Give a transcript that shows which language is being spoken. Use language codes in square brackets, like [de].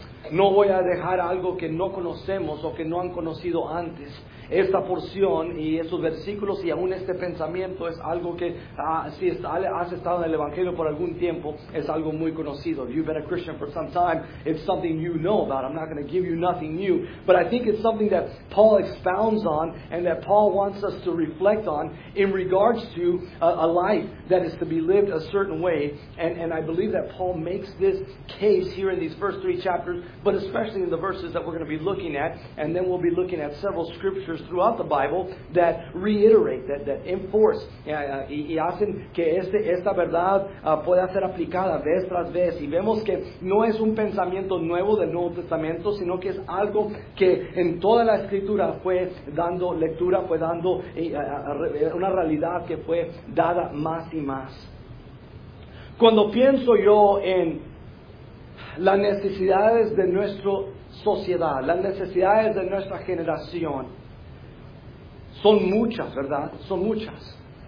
[es] No voy a dejar algo que no conocemos o que no han conocido antes. Esta porción y estos versículos y aún este pensamiento es algo que, si has estado en el Evangelio por algún tiempo, es algo muy conocido. [en] If you've been a Christian for some time, it's something you know about. I'm not going to give you nothing new. But I think it's something that Paul expounds on and that Paul wants us to reflect on in regards to a life that is to be lived a certain way. And And I believe that Paul makes this case here in these first three chapters, but especially in the verses that we're going to be looking at, and then we'll be looking at several scriptures throughout the Bible that reiterate, that enforce, [es] y hacen que esta verdad pueda ser aplicada vez tras vez. Y vemos que no es un pensamiento nuevo del Nuevo Testamento, sino que es algo que en toda la Escritura fue dando lectura, fue dando una realidad que fue dada más y más. Cuando pienso yo en las necesidades de nuestra sociedad, las necesidades de nuestra generación, son muchas, ¿verdad? Son muchas.